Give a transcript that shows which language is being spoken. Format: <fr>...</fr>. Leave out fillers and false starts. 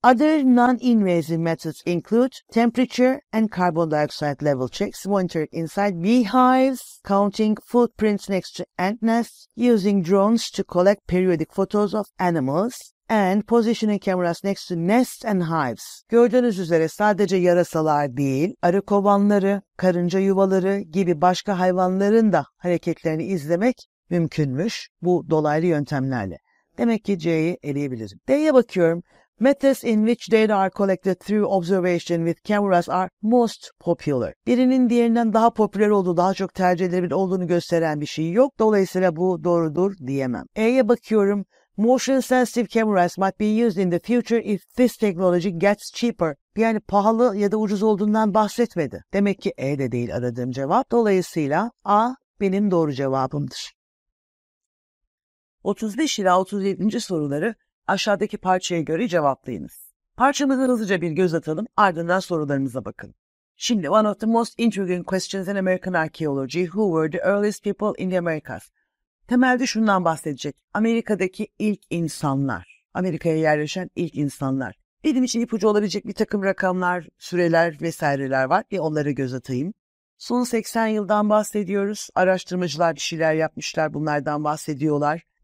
<en>Other non-invasive methods include temperature and carbon dioxide level checks monitored inside beehives, counting footprints next to ant nests, using drones to collect periodic photos of animals, and positioning cameras next to nests and hives.</en> <tr>Gördüğünüz üzere sadece yarasalar değil, arı kovanları, karınca yuvaları gibi başka hayvanların da hareketlerini izlemek mümkünmüş bu dolaylı yöntemlerle. Demek ki C'yi eleyebilirim. D'ye bakıyorum.</tr> <en>Methods in which data are collected through observation with cameras are most popular.</en> <tr>Birinin diğerinden daha popüler olduğu, daha çok tercih edilebilir olduğunu gösteren bir şey yok. Dolayısıyla bu doğrudur diyemem. E'ye bakıyorum.</tr> <en>Motion sensitive cameras might be used in the future if this technology gets cheaper.</en> <tr>Yani pahalı ya da ucuz olduğundan bahsetmedi. Demek ki E de değil aradığım cevap. Dolayısıyla A benim doğru cevabımdır. 35 ila 37. soruları aşağıdaki parçaya göre cevaplayınız. Parçamıza hızlıca bir göz atalım, ardından sorularımıza bakın. Şimdi,</tr> <en>one of the most intriguing questions in American archaeology, who were the earliest people in the Americas?</en> <tr>Temelde şundan bahsedecek, Amerika'daki ilk insanlar, Amerika'ya yerleşen ilk insanlar. Benim için ipucu olabilecek bir takım rakamlar, süreler vesaireler var, bir onlara göz atayım. Son 80 yıldan bahsediyoruz, araştırmacılar bir şeyler yapmışlar, bunlardan bahsediyorlar.</tr>